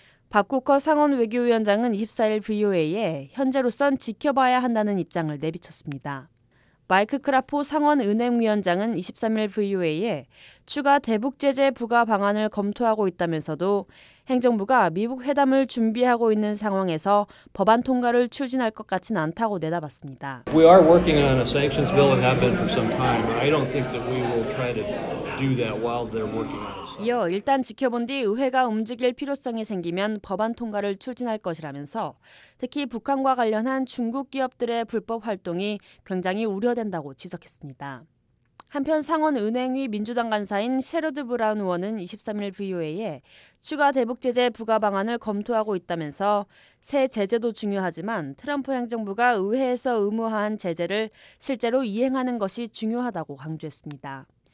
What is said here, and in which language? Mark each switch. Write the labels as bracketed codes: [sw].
[ko] 박국허 상원 외교위원장은 24일 VOA에 현재로선 지켜봐야 한다는 입장을 내비쳤습니다. 마이크 크라포 상원 은행위원장은 23일 VOA에 추가 대북 제재 부과 방안을 검토하고 있다면서도 행정부가 미북 회담을 준비하고 있는 상황에서 법안 통과를 추진할 것 같진 않다고 내다봤습니다. [en] We are working on a sanctions bill and have been for some time. I don't think that we will try to do that while they're working on it. [ko] 이어 일단 지켜본 뒤 의회가 움직일 필요성이 생기면 법안 통과를 추진할 것이라면서 특히 북한과 관련한 중국 기업들의 불법 활동이 굉장히 우려된다고 지적했습니다. 한편 상원 은행위 민주당 간사인 셰러드 브라운 의원은 23일 VOA에 추가 대북 제재 부과 방안을 검토하고 있다면서 새 제재도 중요하지만 트럼프 행정부가 의회에서 의무화한 제재를 실제로 이행하는 것이 중요하다고 강조했습니다.